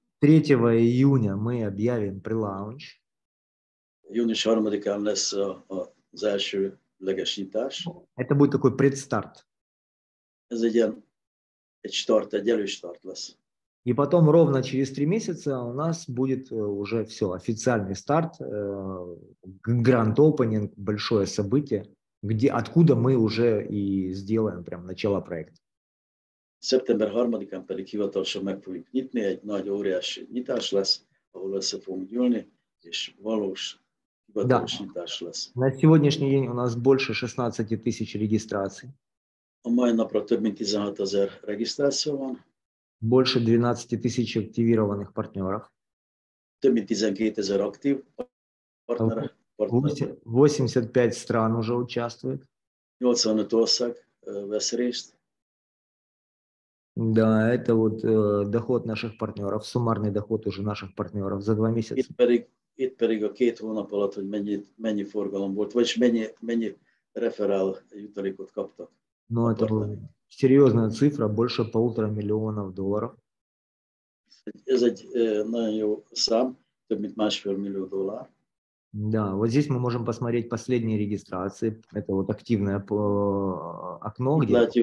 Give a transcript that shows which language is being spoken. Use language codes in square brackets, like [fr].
[ru] 3 июня мы объявим прелаунч. [hu] június 3-án lesz az első legesítás. [ru] Это будет такой предстарт. [hu] Ez egy ilyen, egy start, egy előstart lesz. [ru] И потом ровно через 3 месяца у нас будет уже все, официальный старт, Grand Opening, большое событие, где, откуда мы уже и сделаем прям начало проекта. [hu] Szeptember 3-án pedig hivatalosan meg fogjuk nyitni, egy nagy óriási nyitás lesz, ahol össze fogunk gyűlni, és valós hivatalos nyitás lesz. [ru] На сегодняшний день у нас больше 16 тысяч регистраций. [hu] A mai napra több mint 16 000 regisztráció van. [ru] Больше 12 тысяч активированных партнеров. [hu] Több mint 12 000 aktív partnerek. [ru] 85 стран уже участвует. [hu] 85 ország vesz részt. [ru] Да, это вот доход наших партнеров, суммарный доход уже наших партнеров за 2 месяца. [hu] Itt pedig a két hónap alatt, hogy mennyi forgalom volt, vagyis mennyi referál jutalékot kaptak. [ru] Ну, это серьезная цифра, больше 1,5 миллиона долларов. [hu] Ez egy nagyon jó szám, több mint 1,5 millió dollár. [ru] Да, вот здесь мы можем посмотреть последние регистрации, это вот активное окно, где...